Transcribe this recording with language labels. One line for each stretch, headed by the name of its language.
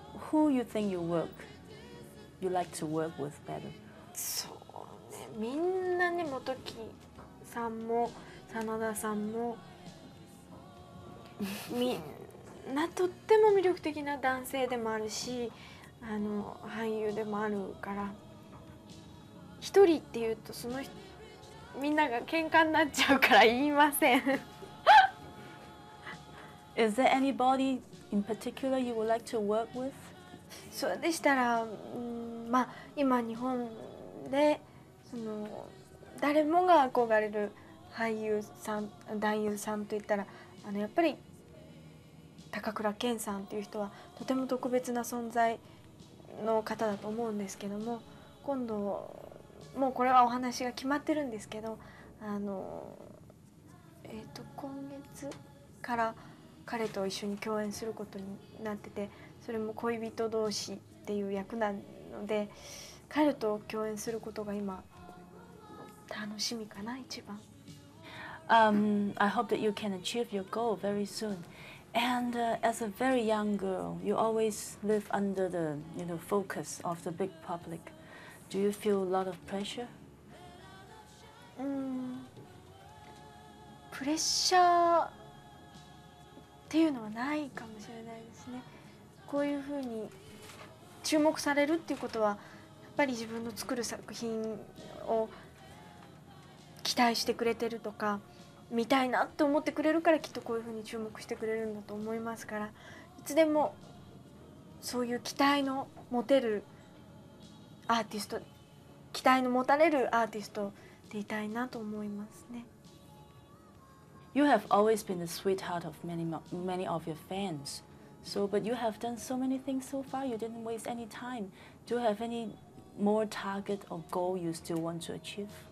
English: Who you think you like to work with better?
Japanese: そうね、みんなね、Motoki さんも Sanada さんもみんなとっても魅力的な男性でもあるし、あの俳優でもあるから、一人っていうとそのみんなが喧嘩になっちゃうから言いません。
English: Is there anybody in particular you would like to work with?
Japanese: そうでしたら、まあ今日本でその誰もが憧れる俳優さん、男優さんといったら、あのやっぱり高倉健さんっていう人はとても特別な存在の方だと思うんですけども、今度もうこれはお話が決まってるんですけど、あの今月から彼と一緒に共演することになってて、それも恋人同士っていう役なので、彼と共演することが今楽しみかな一番。
English: I hope that you can achieve your goal very soon. And as a very young girl, you always live under the, you know, focus of the big public. Do you feel a lot of pressure?
Japanese: プレッシャーっていうのはないかもしれないですね。こういうふうに注目されるっていうことは、やっぱり自分の作る作品を期待してくれてるとか、見たいなって思ってくれるから、きっとこういうふうに注目してくれるんだと思いますから、いつでもそういう期待の持てるアーティスト、期待の持たれるアーティストでいたいなと思いますね。
English: You have always been the sweetheart of many of your fans. So, but you have done so many things so far. You didn't waste any time. Do you have any more target or goal you still want to achieve?